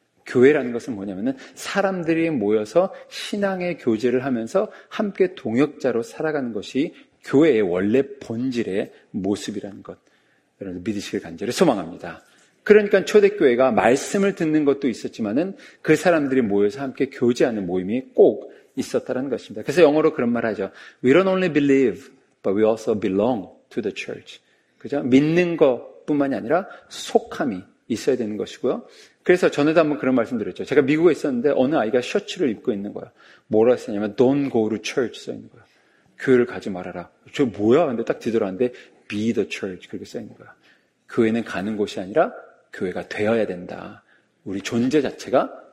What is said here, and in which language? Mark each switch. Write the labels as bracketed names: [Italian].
[Korean] 교회라는 것은 뭐냐면은 사람들이 모여서 신앙의 교제를 하면서 함께 동역자로 살아가는 것이 교회의 원래 본질의 모습이라는 것. 여러분 믿으시길 간절히 소망합니다. 그러니까 초대교회가 말씀을 듣는 것도 있었지만은 그 사람들이 모여서 함께 교제하는 모임이 꼭 있었다는 것입니다. 그래서 영어로 그런 말 하죠. [English] We don't only believe, but we also belong to the church. [Korean] 그죠? 믿는 것뿐만이 아니라 속함이 있어야 되는 것이고요. 그래서 전에도 한번 그런 말씀 드렸죠. 제가 미국에 있었는데 어느 아이가 셔츠를 입고 있는 거야. 뭐라고 했냐면 [English] Don't go to church [Korean] 써 있는 거야. 교회를 가지 말아라. 저 뭐야? 근데 딱 뒤돌아왔는데 [English] Be the church [Korean] 그렇게 써 있는 거야. 교회는 가는 곳이 아니라 교회가 되어야 된다. 우리 존재 자체가